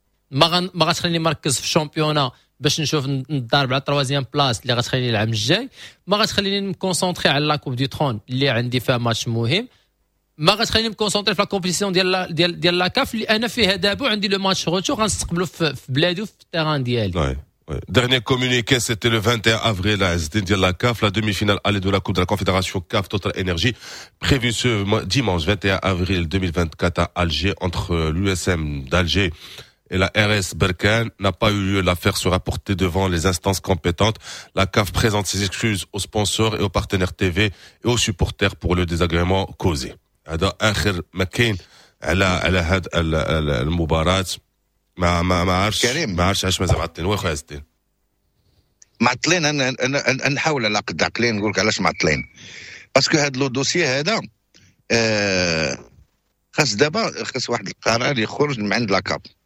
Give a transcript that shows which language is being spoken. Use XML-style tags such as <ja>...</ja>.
<ar>ما غتخليني مركز في الشامبيونه باش نشوف نضارب على 3 بلاص اللي غتخليني العام الجاي، ما غتخليني نكونسونطري على لاكوب دي ترون اللي عندي فيها ماتش مهم، ما غتخليني مكونسونطري في لا كومبيتيسيون ديال لاكاف اللي انا فيها دابا وعندي لو ماتش غوتو غنستقبلو في بلادي وفي التيران ديالي.</ar> <fr>dernier communiqué c'était le 21 avril à Zdin de la CAF, la demi-finale aller de la Coupe de la Confédération CAF Total Energy prévue ce dimanche 21 avril 2024 à Alger entre l'USM d'Alger et la RS Berkane n'a pas eu lieu. L'affaire sera portée devant les instances compétentes. La CAF présente ses excuses aux sponsors et aux partenaires TV et aux supporters pour le désagrément causé.</fr> <ar>هذا اخر ما كاين على هاد المباراه. ما عرفش مازال معطلين. واخا ياسين معطلين. انا نحاول على قد عقلي نقول لك علاش معطلين. باسكو هاد لو دوسي هذا خاص دابا خاص واحد القرار يخرج من عند لاكاب.</ar>